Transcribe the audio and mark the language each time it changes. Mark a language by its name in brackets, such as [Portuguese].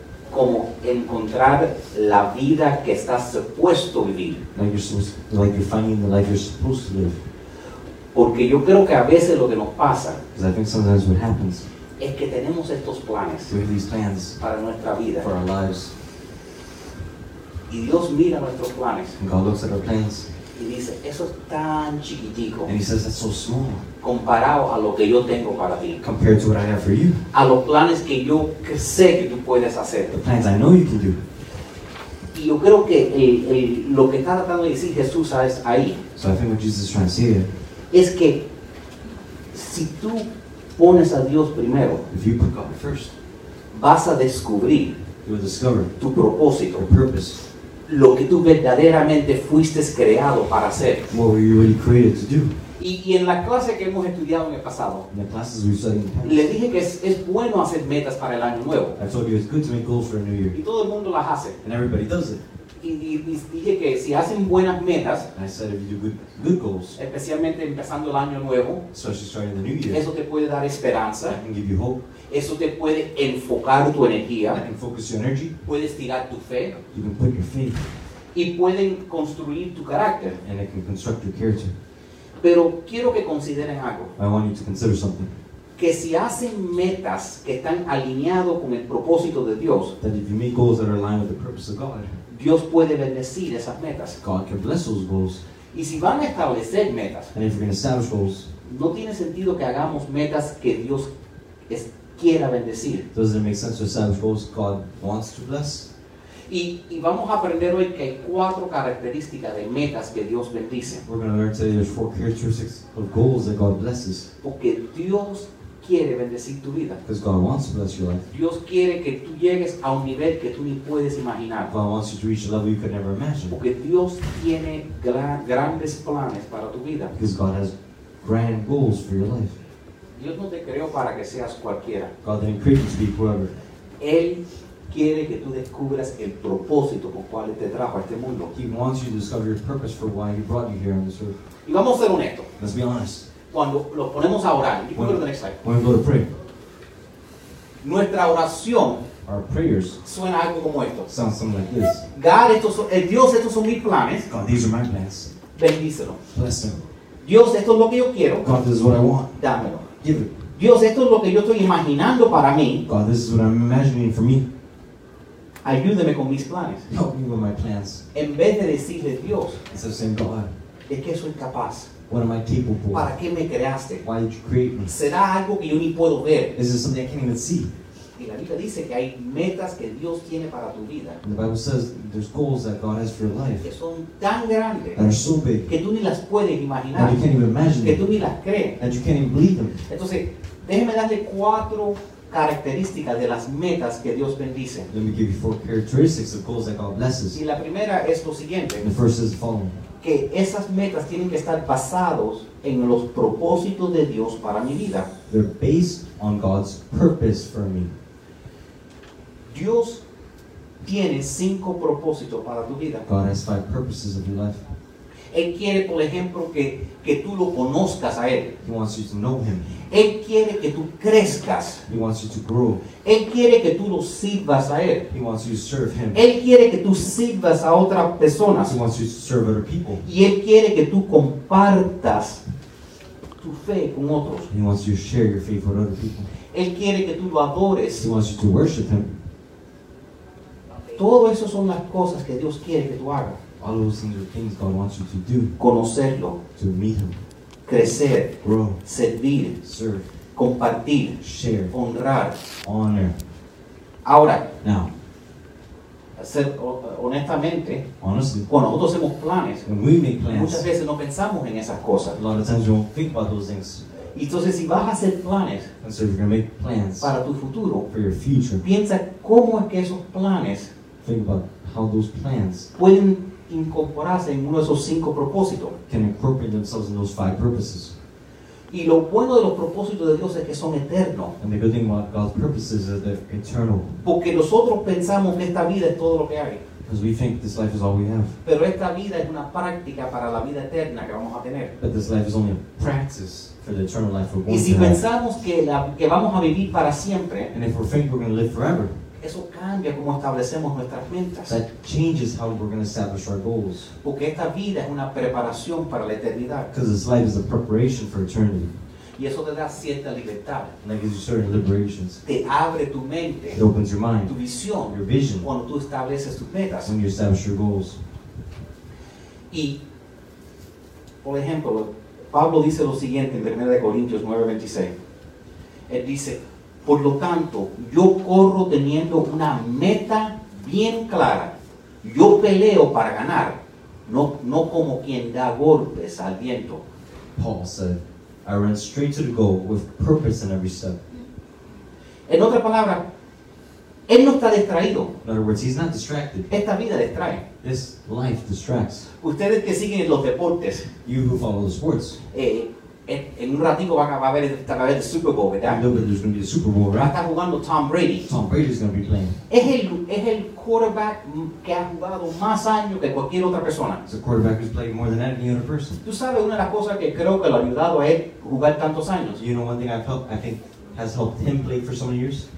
[Spanish] Como encontrar la vida que estás supuesto vivir. [English] Like you're finding the life you're supposed to live. [Spanish] Porque yo creo que a veces lo que nos pasa. [English] Because I think sometimes what happens. [Spanish] Es que tenemos estos planes. [English] We have these plans. [Spanish] Para nuestra vida. [English] For our lives. [Spanish] Y Dios mira nuestros planes. [English] And God looks at our plans. [Spanish] Y dice, eso es tan chiquitico. [English] And he says, that's so small. [Spanish] Comparado a lo que yo tengo para ti. [English] Compared to what I have for you. [Spanish] A los planes que yo sé que tú puedes hacer. [English] The plans I know you can do. [Spanish] Y yo creo que lo que está tratando de decir Jesús es ahí. [English] So I think what Jesus is trying to say here. [Spanish] Es que si tú pones a Dios primero. [English] If you put God first. [Spanish] Vas a descubrir. [English] You will discover. [Spanish] Tu propósito. [English] Your purpose. [Spanish] Lo que tú verdaderamente fuiste creado para hacer. [English] What were you really created to do? [Spanish] Y en la clase que hemos estudiado en el pasado. [English] In the classes we studied in the past. [Spanish] Le dije que es bueno hacer metas para el año nuevo. [English] I told you it's good to make goals for a new year. [Spanish] Y todo el mundo las hace. [English] And everybody does it. [Spanish] Y dije que si hacen buenas metas. [English] And I said if you do good goals. [Spanish] Especialmente empezando el año nuevo. [English] Especially starting the new year. [Spanish] Eso te puede dar esperanza. [English] That can give you hope. [Spanish] Eso te puede enfocar tu energía. [English] That can focus your energy. [Spanish] Puedes tirar tu fe. [English] You can put your faith. [Spanish] Y pueden construir tu carácter. [English] And it can construct your character. [Spanish] Pero quiero que consideren algo. [English] I want you to consider something. [Spanish] Que si hacen metas que están alineados con el propósito de Dios. [English] That if you make goals that are aligned with the purpose of God. [Spanish] Dios puede bendecir esas metas. [English] God can bless those goals. [Spanish] Y si van a establecer metas. [English] And if you're going to establish goals. [Spanish] No tiene sentido que hagamos metas que Dios quiera bendecir. [English] Doesn't it make sense to establish goals God wants to bless? [Spanish] Y vamos a aprender hoy que hay cuatro características de metas que Dios bendice. [English] We're going to learn today there's four characteristics of goals that God blesses. [Spanish] Porque Dios quiere bendecir tu vida. [English] Because God wants to bless your life. [Spanish] Dios quiere que tú llegues a un nivel que tú ni puedes imaginar. [English] God wants you to reach a level you could never imagine. [Spanish] Porque Dios tiene grandes planes para tu vida. [English] Because God has grand goals for your life. [Spanish] Dios no te creó para que seas cualquiera. [English] God didn't create you to be whoever. [Spanish] Él quiere que tú descubras el propósito por cual te trajo a este mundo. [English] He wants you to discover your purpose for why he brought you here on this earth. [Spanish] Y vamos a ser honestos. [English] Let's be honest. [Spanish] Cuando lo ponemos a orar, [English] you can go to the next slide. When we go to pray. [Spanish] Nuestra oración. [English] Our prayers. [Spanish] Suena algo como esto. [English] Sounds something like this. [Spanish] God, Dios, estos son mis planes. [English] God, these are my plans. [Spanish] Bendícelo. [English] Bless them. [Spanish] Dios, esto es lo que yo quiero. [English] God, this is what I want. [Spanish] Dámelo. [English] Give it. [Spanish] Dios, esto es lo que yo estoy imaginando para mí. [English] God, this is what I'm imagining for me. [Spanish] Ayúdame con mis planes. [English] Help me with my plans. [Spanish] En vez de decirle Dios. [English] Instead of saying God. [Spanish] ¿De qué soy capaz? [English] What am I capable for? [Spanish] ¿Para qué me creaste? [English] Why did you create me? [Spanish] ¿Será algo que yo ni puedo ver? [English] Is it something I can't even see? [Spanish] Y la Biblia dice que hay metas que Dios tiene para tu vida. [English] And the Bible says there's goals that God has for your life. [Spanish] Que son tan grandes. [English] That are so big. [Spanish] Que tú ni las puedes imaginar. [English] That you can't even imagine. [Spanish] Que tú ni las crees. [English] That you can't even believe them. [Spanish] Entonces, déjeme darle cuatro características de las metas que Dios bendice. [English] Let me give you four characteristics of goals that God blesses. [Spanish] Y la primera es lo siguiente. [English] The first is the following. [Spanish] Que esas metas tienen que estar basados en los propósitos de Dios para mi vida. [English] They're based on God's purpose for me. [Spanish] Dios tiene cinco propósitos para tu vida. [English] God has five purposes of your life. [Spanish] Él quiere, por ejemplo, que tú lo conozcas a Él. [English] He wants you to know Him. [Spanish] Él quiere que tú crezcas. [English] He wants you to grow. [Spanish] Él quiere que tú lo sirvas a Él. [English] He wants you to serve Him. [Spanish] Él quiere que tú sirvas a otras personas. [English] He wants you to serve other people. [Spanish] Y Él quiere que tú compartas tu fe con otros. [English] He wants you to share your faith with other people. [Spanish] Él quiere que tú lo adores. [English] He wants you to worship Him. [Spanish] Todo eso son las cosas que Dios quiere que tú hagas. [English] All those things are things God wants you to do. [Spanish] Conocerlo. [English] To meet Him. [Spanish] Crecer. [English] Grow. [Spanish] Servir. [English] Serve. [Spanish] Compartir. [English] Share. [Spanish] Honrar. [English] Honor. [Spanish] Ahora. [English] Now. [Spanish] Ser honestamente. [English] Honestly. [Spanish] Cuando nosotros hacemos planes. [English] When we make plans. [Spanish] Muchas veces no pensamos en esas cosas. [English] A lot of times we don't think about those things. [Spanish] Entonces, si vas a hacer planes, [English] and so if you're going to make plans [Spanish] para tu futuro, [English] for your future, [Spanish] piensa cómo es que esos planes, [English] think about how those plans [Spanish] pueden incorporarse en uno de esos cinco propósitos. [English] Can incorporate themselves in those five purposes. [Spanish] Y lo bueno de los propósitos de Dios es que son eternos. [English] And the good thing about God's purposes is that they're eternal. [Spanish] Porque nosotros pensamos que esta vida es todo lo que hay. [English] Because we think this life is all we have. [Spanish] Pero esta vida es una práctica para la vida eterna que vamos a tener. [English] But this life is only a practice for the eternal life we're going to have. [Spanish] Y si pensamos que vamos a vivir para siempre, [English] and if we think we're going to live forever, [Spanish] eso cambia cómo establecemos nuestras metas. [English] That changes how we're going to establish our goals. [Spanish] Porque esta vida es una preparación para la eternidad. [English] Because this life is a preparation for eternity. [Spanish] Y eso te da cierta libertad. [English] And that gives you certain liberations. [Spanish] Te abre tu mente. [English] It opens your mind. [Spanish] Tu visión. [English] Your vision. [Spanish] Cuando tú estableces tus metas. [English] When you establish your goals. [Spanish] Y, por ejemplo, Pablo dice lo siguiente en 1 Corintios 9:26. Él dice: por lo tanto, yo corro teniendo una meta bien clara. Yo peleo para ganar, no como quien da golpes al viento. [English] Paul said, I run straight to the goal with purpose in every step. [Spanish] En otra palabra, él no está distraído. [English] In other words, he's not distracted. [Spanish] Esta vida distrae. [English] This life distracts. [Spanish] Ustedes que siguen los deportes. [English] You who follow the sports. [Spanish] En un ratito va a haber el Super Bowl, ¿verdad? [English] No, but there's going to be a Super Bowl, right? [Spanish] Va a estar jugando Tom Brady. [English] Tom Brady's going to be playing. [Spanish] Es el quarterback que ha jugado más años que cualquier otra persona. [English] It's a quarterback who's played more than any other person. [Spanish] ¿Tú sabes una de las cosas que creo que lo ha ayudado a él jugar tantos años? [English] You know one thing I think has helped him play for so many years?